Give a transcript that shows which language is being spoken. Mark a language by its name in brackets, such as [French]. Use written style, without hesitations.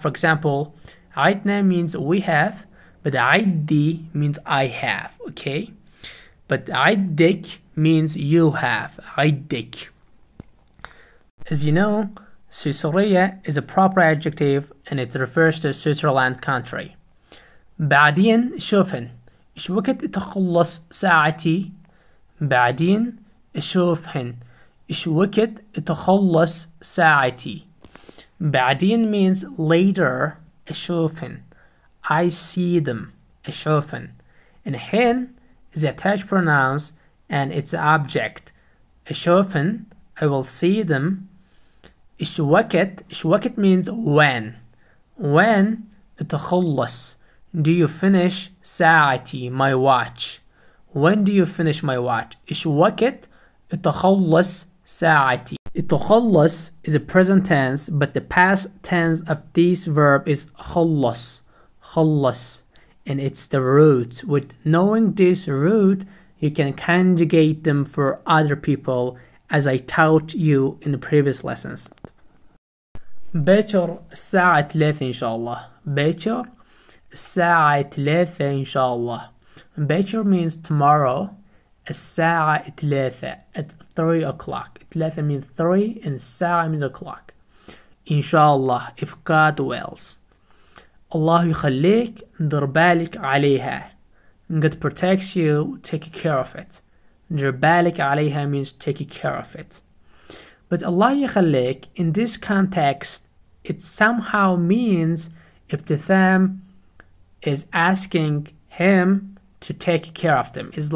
[English] For example, عدنا means we have. But عدي means I have, okay? But عدك means you have, عدك. As you know, سويسرية is a proper adjective and it refers to Switzerland country. [Arabic] بعدين شوفن. إش وقت تخلص ساعتي؟ بعدين شوفن. إش وقت تخلص ساعتي؟ بعدين [English] means later [Arabic] شوفن. [English] I see them. أشوفن. And hen is attached pronouns and it's an object. أشوفن. I will see them. إشوكت. إشوكت means when. When تخلص. Do you finish ساعتي, my watch? When do you finish my watch? [Arabic] إشوكت تخلص ساعتي. [English] تخلص is a present tense, but the past tense of this verb is خلص. خلص. And it's the root. With knowing this root, you can conjugate them for other people, as I taught you in the previous lessons. [Arabic] باكر الساعة 3 إن شاء الله. باكر الساعة 3 إن شاء الله. [English] باكر means tomorrow. [Arabic] الساعة 3 [English] at 3 o'clock. 3 means 3 and الساعة means o'clock. [Arabic] إن شاء الله, [English] if God wills. [Arabic] الله يخليك دير بالك عليها. [English] God protects you, take care of it. [Arabic] دير بالك عليها [English] means take care of it. But [Arabic] الله يخليك, [English] in this context, it somehow means Ibtisam is asking him to take care of them.